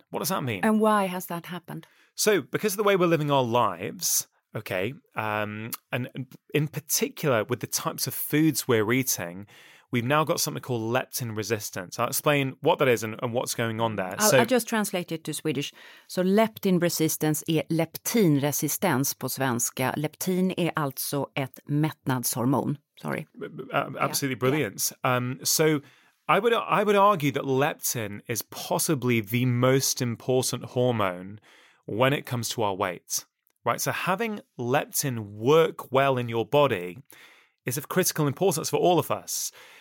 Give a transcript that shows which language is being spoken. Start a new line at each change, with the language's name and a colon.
English: What does that mean? And why has that happened? So because of the way we're living our lives, okay, and in particular with the types of foods we're eating, we've now got something called leptin resistance. I'll explain what that is and what's going on there. I'll just translate it to Swedish. So leptin resistance
Swedish: är leptinresistens på svenska. Leptin är alltså ett mättnadshormon.
English: Sorry. Absolutely brilliant. Yeah. I would argue that leptin is possibly the most important hormone when it comes to our weight, right? So having leptin work well in your body is of critical importance for all of us.